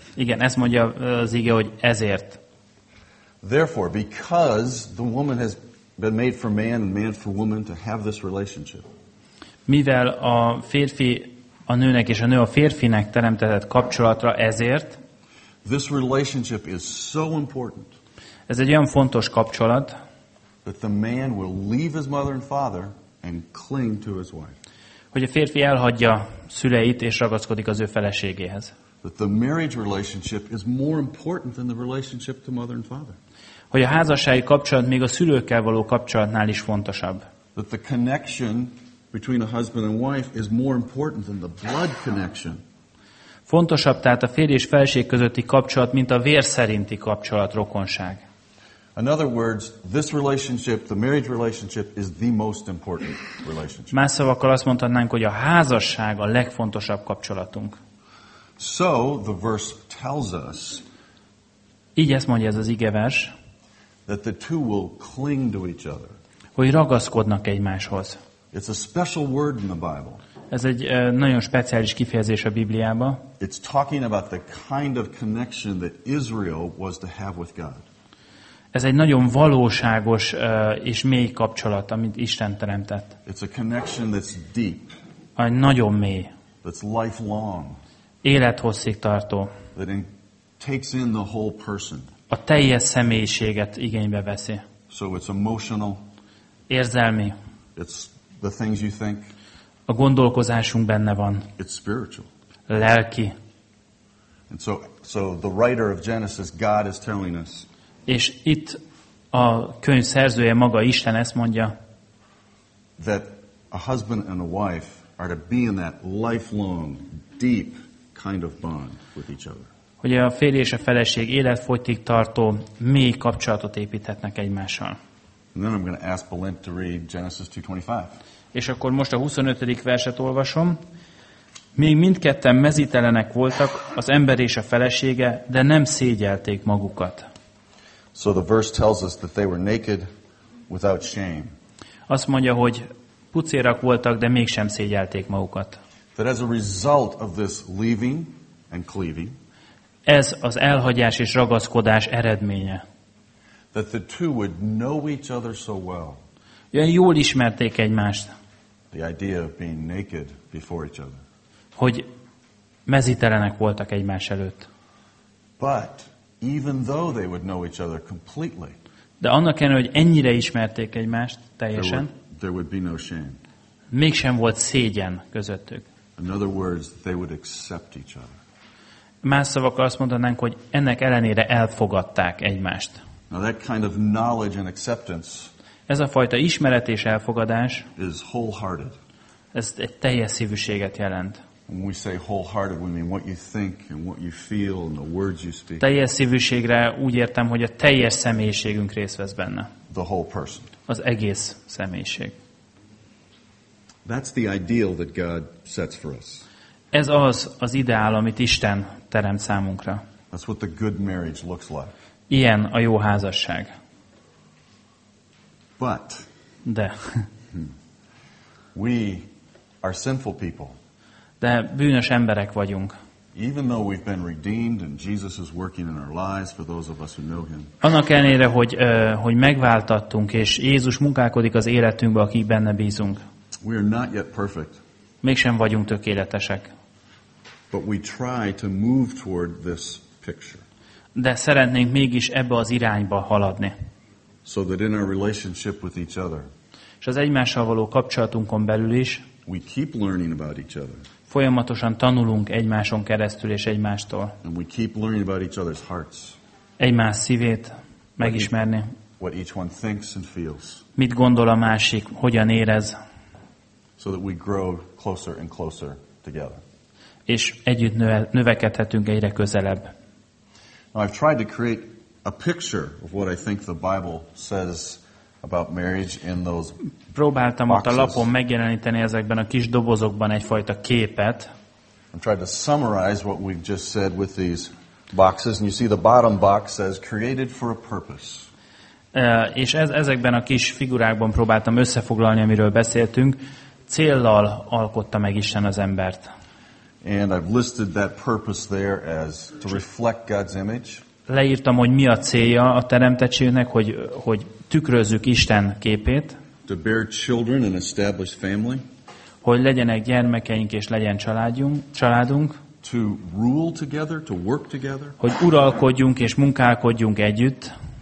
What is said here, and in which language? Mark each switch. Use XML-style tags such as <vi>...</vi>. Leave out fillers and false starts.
<hu>Igen, ezt mondja az ige, hogy ezért.</hu> <en>Therefore, because the woman has been made for man and man for woman to have this relationship.</en> <hu>Mivel a férfi a nőnek és a nő a férfinek teremtetett kapcsolatra, ezért.</hu> <en>This relationship is so important.</en> <hu>Ez egy olyan fontos kapcsolat.</hu> <en>That the man will leave his mother and father and cling to his wife.</en> <hu>Hogy a férfi elhagyja szüleit és ragaszkodik az ő feleségéhez.</hu> <en>That the marriage relationship is more important than the relationship to mother and father.</en> <hu>Hogy a házassági kapcsolat még a szülőkkel való kapcsolatnál is fontosabb.</hu> <en>That the connection between a husband and wife is more important than the blood connection.</en> <hu>Fontosabb tehát a férj és feleség közötti kapcsolat, mint a vér szerinti kapcsolat, rokonság.</hu> <en>In other words, this relationship, the marriage relationship is the most important relationship.</en> <hu>Más szavakkal azt mondhatnánk, hogy a házasság a legfontosabb kapcsolatunk.</hu> <en>So the verse tells us.</en> <hu>Így ezt mondja ez az igevers.</hu> <en>That the two will cling to each other.</en> <hu>Hogy ragaszkodnak egymáshoz.</hu> <en>It's a special word in the Bible.</en> <hu>Ez egy nagyon speciális kifejezés a Bibliában.</hu> <en>It's talking about the kind of connection that Israel was to have with God.</en> <hu>Ez egy nagyon valóságos és mély kapcsolat, amit Isten teremtett.</hu> <en>It's a connection that's deep.</en> <hu>egy nagyon mély.</hu> <en>That's lifelong.</en> <hu>Élethosszig tartó.</hu> <en>That takes in the whole person.</en> <hu>A teljes személyiséget igénybe veszi.</hu> <en>So it's emotional.</en> <hu>Érzelmi.</hu> <en>It's the things you think.</en> <hu>A gondolkozásunk benne van.</hu> <en>It's spiritual.</en> <hu>Lelki.</hu> <en>And so the writer of Genesis, God is telling us.</en> <hu>És itt a könyv szerzője maga Isten ezt mondja.</hu> <en>That a husband and a wife are to be in that lifelong, deep kind of bond with each other.</en> <hu>Hogy a férj és a feleség életfogytig tartó mély kapcsolatot építhetnek egymással.</hu> <en>And then I'm going to ask Belint to read Genesis 2:25.</en> <hu>És akkor most a 25. verset olvasom. Még mindketten mezítelenek voltak az ember és a felesége, de nem szégyelték magukat.</hu> <en>So the verse tells us that they were naked without shame.</en> <hu>Azt mondja, hogy pucérak voltak, de mégsem szégyelték magukat.</hu> <en>That as a result of this leaving and cleaving,</en> <hu>ez az elhagyás és ragaszkodás eredménye.</hu> <en>That the two would know each other so well.</en> <hu>Olyan jól ismerték egymást.</hu> <en>The idea of being naked before each other.</en> <hu>Hogy mezítelenek voltak egymás előtt.</hu> <en>But even though they would know each other completely.</en> <hu>De annak ellenére, hogy ennyire ismerték egymást teljesen.</hu> <en>There would be no shame.</en> <hu>Mégsem volt szégyen közöttük.</hu> <en>In other words, they would accept each other.</en> <hu>Más szavakkal azt mondanánk, hogy ennek ellenére elfogadták egymást.</hu> <en>Now that kind of knowledge and acceptance.</en> <hu>Ez a fajta ismeret és elfogadás.</hu> <en>Is wholehearted.</en> <hu>Ez egy teljes szívűséget jelent.</hu> <en>When we say wholehearted, we mean what you think and what you feel and the words you speak.</en> <hu>Teljes szívűségre úgy értem, hogy a teljes személyiségünk részt vesz benne.</hu> <en>The whole person.</en> <hu>Az egész személyiség.</hu> <en>That's the ideal that God sets for us.</en> <hu>Ez az ideál, amit Isten teremt számunkra.</hu> <en>That's what the good marriage looks like.</en> <hu>Ilyen a jó házasság.</hu> <en>But.</en> <hu>De.</hu> <en>We are sinful people.</en> <hu>De bűnös emberek vagyunk.</hu> <en>Even though we've been redeemed and Jesus is working in our lives for those of us who know him.</en> <hu>Annak ellenére, hogy megváltattunk és Jézus munkálkodik az életünkbe, akik benne bízunk.</hu> <en>We are not yet perfect.</en> <hu>Mégsem vagyunk tökéletesek.</hu> <en>But we try to move toward this picture.</en> <hu>De szeretnénk mégis ebbe az irányba haladni.</hu> <en>So that in our relationship with each other.</en> <hu>És az egymással való kapcsolatunkon belül is.</hu> <en>We keep learning about each other.</en> <hu>Folyamatosan tanulunk egymáson keresztül és egymástól.</hu> <en>And we keep learning about each other's hearts.</en> <hu>Egymás szívét megismerni.</hu> <en>What each one thinks and feels.</en> <hu>Mit gondol a másik, hogyan érez.</hu> <en>So that we grow closer and closer together.</en> <hu>És együtt növekedhetünk egyre közelebb.</hu> <en>Now I've tried to create a picture of what I think the Bible says about marriage in those boxes.</en> <hu>Próbáltam ott a lapon megjeleníteni ezekben a kis dobozokban egyfajta képet.</hu> <en>I'm trying to summarize what we've just said with these boxes, and you see the bottom box says created for a purpose.</en> <hu>És ezekben a kis figurákban próbáltam összefoglalni, amiről beszéltünk. Céllal alkotta meg Isten az embert.</hu> <en>And I've listed that purpose there as to reflect God's image.</en> <hu>Leírtam, hogy mi a célja a teremtettségnek, hogy tükrözzük Isten képét.</hu> <en>To bear children and establish family.</en> <hu>Hogy legyenek gyermekeink és legyen családunk.</hu> <en>To rule together, to work together.</en> <hu>Hogy uralkodjunk és munkálkodjunk együtt.</hu>